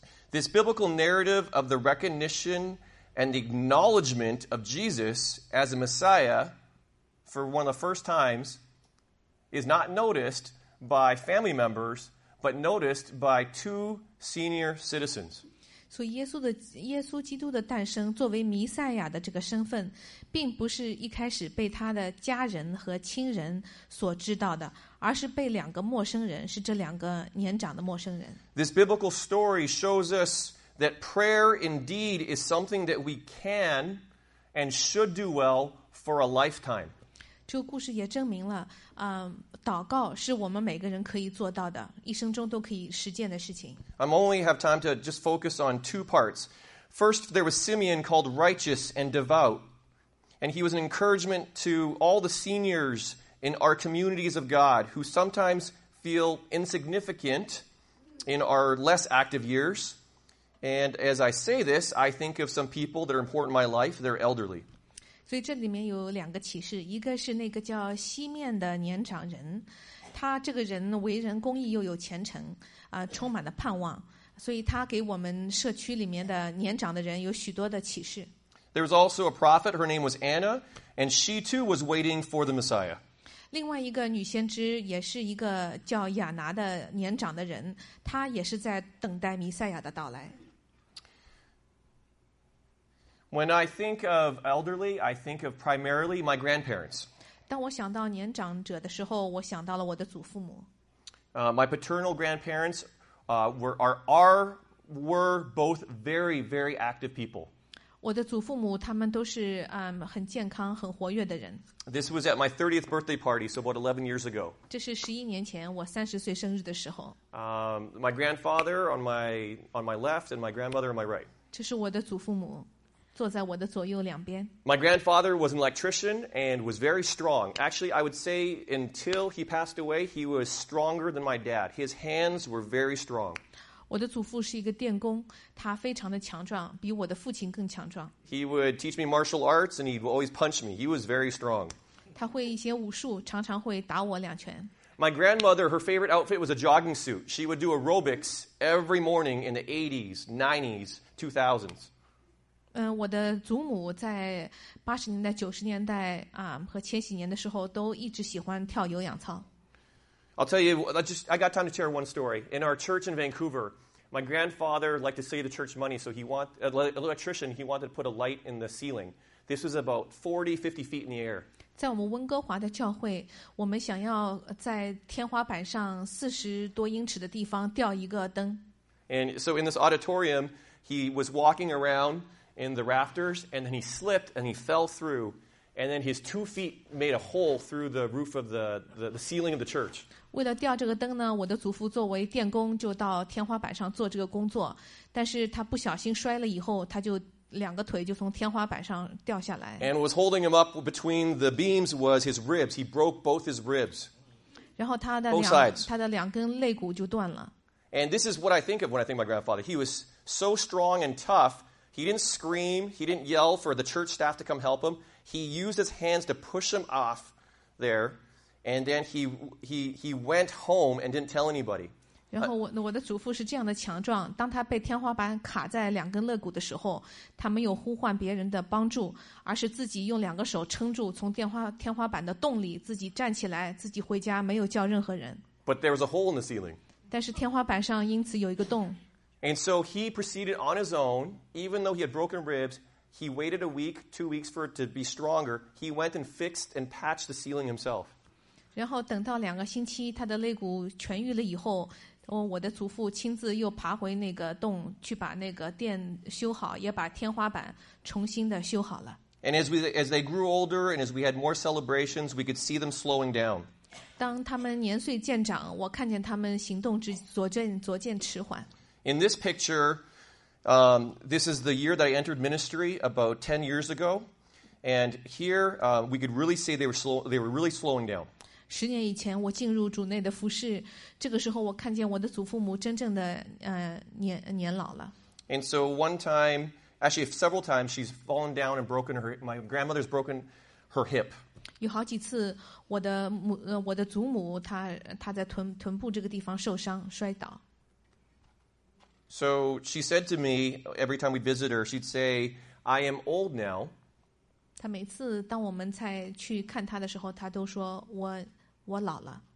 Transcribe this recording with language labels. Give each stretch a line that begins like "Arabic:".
English: This biblical narrative of the recognition and the acknowledgement of Jesus as a Messiah for one of the first times is not noticed by family members, but noticed by two senior citizens.
Chinese: 所以耶稣基督的诞生作为弥赛亚的这个身份并不是一开始被他的家人和亲人所知道的而是被两个陌生人是这两个年长的陌生人
English: This biblical story shows us that prayer indeed is something that we can and should do well for a lifetime.
Chinese: 这个故事也证明了，祷告是我们每个人可以做到的，一生中都可以实践的事情。
English: I'm only have time to just focus on two parts. First, there was Simeon called righteous and devout, and he was an encouragement to all the seniors in our communities of God who sometimes feel insignificant in our less active years. And as I say this, I think of some people that are important in my life, they're elderly.
Chinese: 所以这里面有两个启示，一个是那个叫西面的年长人，他这个人为人公义又有虔诚，充满了盼望，所以他给我们社区里面的年长的人有许多的启示。
English: There was also a prophet, her name was Anna, and she too was waiting for the Messiah.
Chinese: 另外一个女先知也是一个叫亚拿的年长的人，她也是在等待弥赛亚的到来。
English: When I think of elderly, I think of primarily my grandparents.
Chinese: 当我想到年长者的时候，我想到了我的祖父母。
English: My paternal grandparents were both very, very active people.
Chinese: 我的祖父母他们都是很健康、很活跃的人。
English: This was at my 30th birthday party, so about 11 years ago.
Chinese: 这是11年前我30岁生日的时候。
English: My grandfather on my left and my grandmother on my right.
Chinese: 这是我的祖父母。坐在我的左右两边。
English: My grandfather was an electrician and was very strong. Actually, I would say until he passed away, he was stronger than my dad. His hands were very strong.
Chinese: 我的祖父是一个电工，他非常的强壮，比我的父亲更强壮。
English: He would teach me martial arts and he'd always punch me. He was very strong.
Chinese: 他会一些武术，常常会打我两拳。
English: My grandmother, her favorite outfit was a jogging suit. She would do aerobics every morning in the 80s, 90s, 2000s.
Chinese: 我的祖母在80年代、90年代啊和千禧年的时候都一直喜欢跳有氧操。
English: I'll tell you, I got time to share one story. In our church in Vancouver, my grandfather liked to save the church money, so he wanted to put a light in the ceiling. This was about 40, 50 feet in the air.
Chinese: 在我们温哥华的教会，我们想要在天花板上40多英尺的地方吊一个灯。
English: And so in this auditorium, he was walking around in the rafters, and then he slipped and he fell through, and then his 2 feet made a hole through the roof of the ceiling of the church.
Chinese: 为了吊这个灯呢，我的祖父作为电工就到天花板上做这个工作，但是他不小心摔了以后，他就两个腿就从天花板上掉下来。
English: And was holding him up between the beams was his ribs. He broke both his ribs.
Chinese: 然后他的两根肋骨就断了。
English: And this is what I think of when I think of my grandfather. He was so strong and tough. He didn't scream. He didn't yell for the church staff to come help him. He used his hands to push him off there. And then he went home and didn't tell anybody.
Chinese: 然后我的祖父是这样的强壮，当他被天花板卡在两根肋骨的时候，他没有呼唤别人的帮助，而是自己用两个手撑住，从天花板的洞里自己站起来，自己回家，没有叫任何人。
English: But there was a hole in the ceiling.
Chinese: 但是天花板上因此有一个洞。
English: And so he proceeded on his own, even though he had broken ribs. He waited a week, 2 weeks for it to be stronger. He went and fixed and patched the ceiling himself.
Chinese: 然后等到两个星期他的肋骨痊愈了以后，我的祖父亲自又爬回那个洞去把那个电修好，也把天花板重新的修好了。
English: And as they grew older and as we had more celebrations, we could see them slowing down.
Chinese: 当他们年岁渐长，我看见他们行动逐渐迟缓。
English: In this picture, this is the year that I entered ministry about 10 years ago. And here, we could really see they were really slowing down.
Chinese: 十年以前，我进入主内的服事，这个时候我看见我的祖父母真正的年老了。
English: And so one time, actually several times, she's fallen down and broken her. My grandmother's broken her hip.
Chinese: 有好几次，我的祖母她在臀部这个地方受伤摔倒。
English: So she said to me every time we visit her, she'd say, "I am old now."
Chinese: 他每次当我们在去看他的时候，他都说我老了。